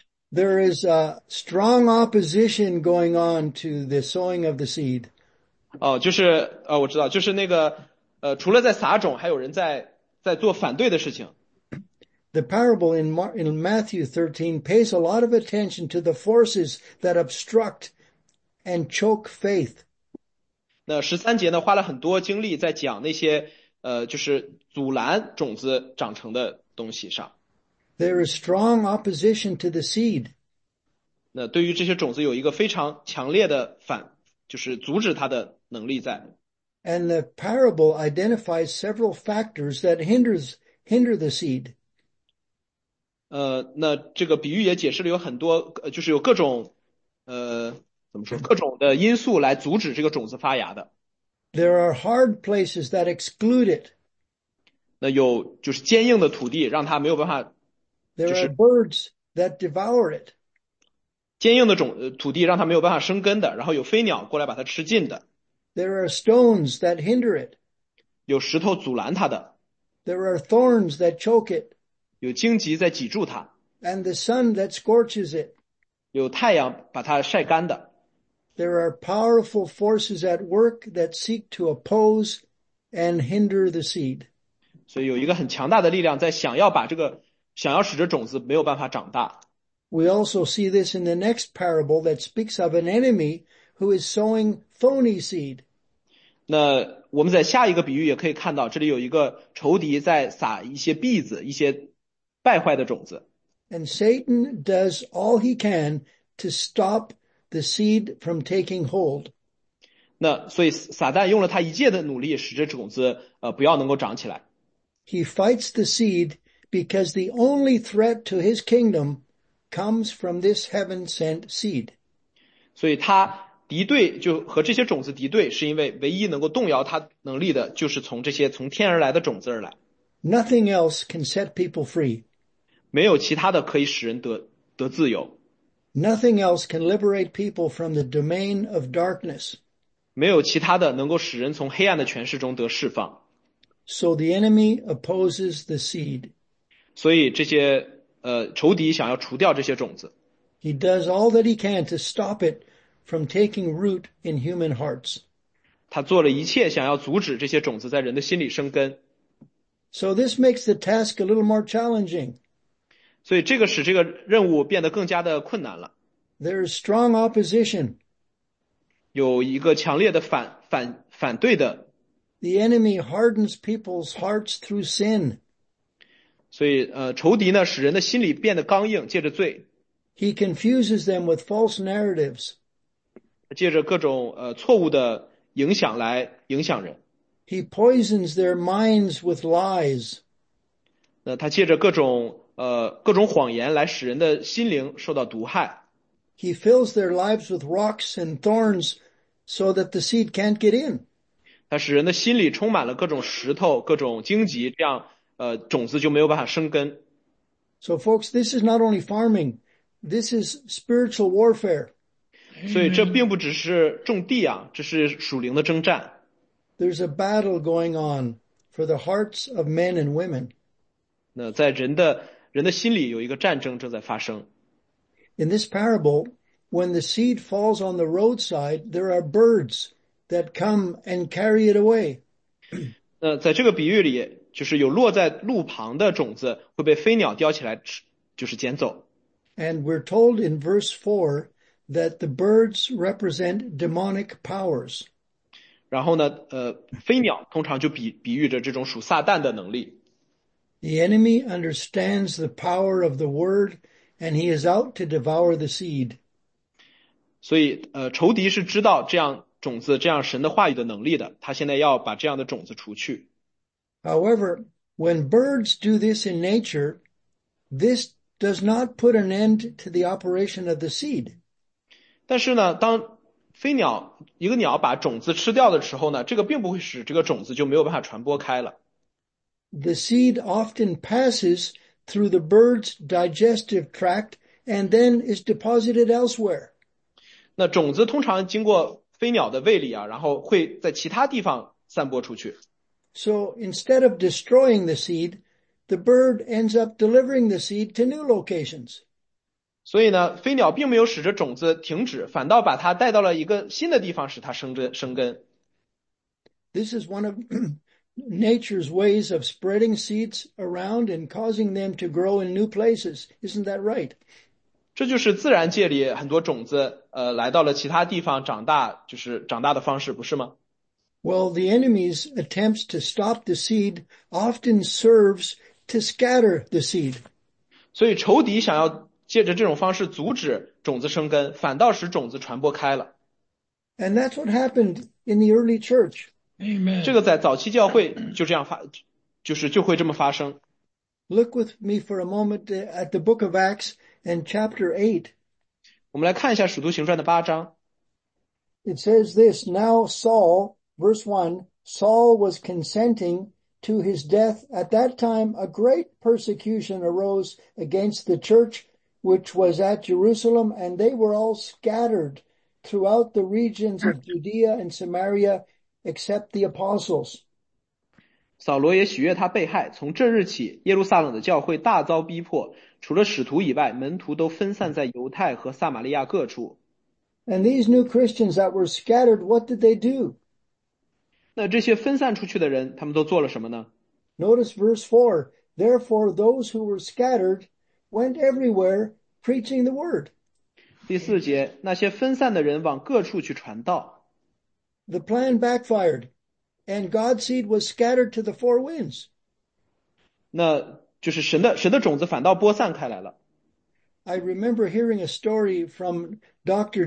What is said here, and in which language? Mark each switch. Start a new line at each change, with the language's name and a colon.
English: There is a strong opposition going on to the sowing of the seed.
Chinese: 我知道，就是那个，除了在撒种，还有人在做反对的事情。
English: The parable in Matthew 13 pays a lot of attention to the forces that obstruct and choke faith.
Chinese: 那13节呢，花了很多精力在讲那些，就是阻拦种子长成的东西上。
English: There is strong opposition to the seed.
Chinese: 那对于这些种子有一个非常强烈的反，就是阻止它的能力在。
English: And the parable identifies several factors that hinder the seed.
Chinese: 那这个比喻也解释了有很多，就是有各种，怎么说，各种的因素来阻止这个种子发芽的。
English: There are hard places that exclude it.
Chinese: 那有就是坚硬的土地，让它没有办法，就
English: There
Chinese: 是
English: are birds that devour it.
Chinese: 坚硬的土地，让它没有办法生根的，然后有飞鸟过来把它吃尽的，
English: There are stones that hinder it.
Chinese: 有石头阻拦它的，
English: There are thorns that choke it.
Chinese: 有荆棘在挤住它，
English: And the sun that scorches it.
Chinese: 有太阳把它晒干的。
English: There are powerful forces at work that seek to oppose and hinder the seed.
Chinese: 所以有一个很强大的力量在想要把这个，想要使这种子没有办法长大。
English: We also see this in the next parable that speaks of an enemy who is sowing phony seed.
Chinese: 那我们在下一个比喻也可以看到，这里有一个仇敌在撒一些篦子，一些败坏的种子。
English: And Satan does all he can to stop the seed from taking hold.
Chinese: 那所以撒旦用了他一切的努力，使这种子不要能够长起来。
English: He fights the seed because the only threat to his kingdom comes from this heaven-sent seed.
Chinese: 所以他敌对，就和这些种子敌对，是因为唯一能够动摇他能力的，就是从这些从天而来的种子而来，
English: Nothing else can set people free.
Chinese: 没有其他的可以使人得自由，
English: Nothing else can liberate people from the domain of darkness.
Chinese: 没有其他的能够使人从黑暗的权势中得释放。
English: So the enemy opposes the seed.
Chinese: 所以这些仇敌想要除掉这些种子。
English: He does all that he can to stop it from taking root in human hearts.
Chinese: 他做了一切，想要阻止这些种子在人的心里生根。
English: So this makes the task a little more challenging.
Chinese: 所以这个使这个任务变得更加的困难了。
English: There is strong opposition.
Chinese: 有一个强烈的反对的。
English: The enemy hardens people's hearts through sin.
Chinese: 所以仇敌呢，使人的心里变得刚硬，借着罪。
English: He confuses them with false narratives.
Chinese: 借着各种错误的影响来影响人，
English: He poisons their minds with lies.
Chinese: 那他借着各种谎言来使人的心灵受到毒害，
English: He fills their lives with rocks and thorns so that the seed can't get in.
Chinese: 但是人的心里充满了各种石头，各种荆棘，这样种子就没有办法生根。
English: So folks, this is not only farming, this is spiritual warfare.
Chinese: 所以这并不只是种地啊，这是属灵的征战。
English: There's a battle going on for the hearts of men and women.
Chinese: 那在人的心里有一个战争正在发生。
English: In this parable, when the seed falls on the roadside, there are birds that come and carry it away.
Chinese: 那在这个比喻里，就是有落在路旁的种子会被飞鸟叼起来吃，就是捡走。
English: And we're told in verse 4 that the birds represent demonic powers.
Chinese: 然后呢，飞鸟通常就比喻着这种属撒旦的能力。
English: The enemy understands the power of the word, and he is out to devour the seed.
Chinese: 所以，仇敌是知道这样种子这样神的话语的能力的，他现在要把这样的种子除去。
English: However, when birds do this in nature, this does not put an end to the operation of the seed.
Chinese: 但是呢，当飞鸟一个鸟把种子吃掉的时候呢，这个并不会使这个种子就没有办法传播开了。
English: The seed often passes through the bird's digestive tract and then is deposited elsewhere.
Chinese: 那种子通常经过飞鸟的胃里啊，然后会在其他地方散播出去。
English: So instead of destroying the seed, the bird ends up delivering the seed to new locations.
Chinese: 所以呢，飞鸟并没有使这种子停止，反倒把它带到了一个新的地方，使它生根。
English: This is one of nature's ways of spreading seeds around and causing them to grow in new places. Isn't that right?
Chinese: 这就是自然界里很多种子来到了其他地方长大，就是长大的方式，不是吗？
English: Well, the enemy's attempts to stop the seed often serves to scatter the seed.
Chinese: 所以仇敌想要借着这种方式阻止种子生根，反倒使种子传播开了。
English: And that's what happened in the early church. Amen.
Chinese: 这个在早期教会就这样发，就会这么发生。
English: Look with me for a moment at the book of Acts and chapter 8.
Chinese: 我们来看一下《使徒行传》的八章。
English: It says this, Now Saul... Verse 1, Saul was consenting to his death. At that time, a great persecution arose against the church, which was at Jerusalem, and they were all scattered throughout the regions of Judea and Samaria, except the apostles.
Chinese: 扫罗也许悦他被害，从这日起，耶路撒冷的教会大遭逼迫，除了使徒以外，门徒都分散在犹太和撒玛利亚各处。
English: And these new Christians that were scattered, what did they do?
Chinese: 那这些分散出去的人，他们都做了什么呢？
English: Notice verse 4. Therefore, those who were scattered went everywhere preaching the word.
Chinese: 第四节，那些分散的人往各处去传道。
English: The plan backfired, and God's seed was scattered to the four winds.
Chinese: 那就是神的种子反倒播散开来了。
English: I remember hearing a story from Dr.